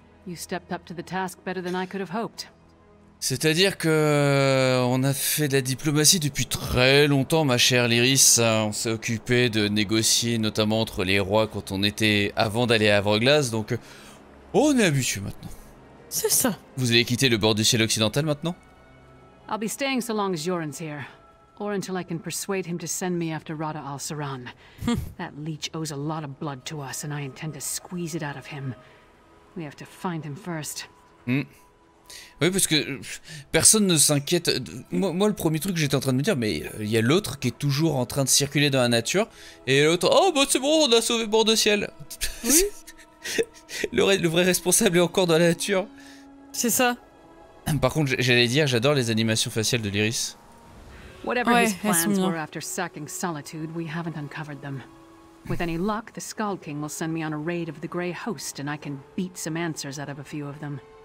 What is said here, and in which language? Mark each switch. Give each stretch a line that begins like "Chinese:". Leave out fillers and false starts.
English: You stepped up to the task better than I could have hoped.
French: C'est-à-dire que on a fait de la diplomatie depuis très longtemps, ma chère Lyris. On s'est occupé de négocier, notamment entre les rois, quand on était avant d'aller à Avreglas. Donc, on est habitué maintenant. C'est ça. Vous allez quitter le bord du ciel occidental maintenant?
English: I'll be staying so long as Joran's here. Or until I can persuade him to send me after Rada Al-Saran. That leech owes a lot of blood to us, and I intend to squeeze it out of him. We have to find him first.
French: Oui, parce que personne ne s'inquiète. Moi, le premier truc que j'étais en train de me dire, mais il y a l'autre qui est toujours en train de circuler dans la nature, et l'autre, oh, bah c'est bon, on a sauvé bord de ciel. Oui. le vrai responsable est encore dans la nature. C'est ça. Par contre, j'allais dire, j'adore les animations faciales de Lyris.
English: Whatever his plans were after sacking Solitude, we haven't uncovered them. With any luck, the Skald King will send me on a raid of the Grey Host, and I can beat some answers out of a few of them.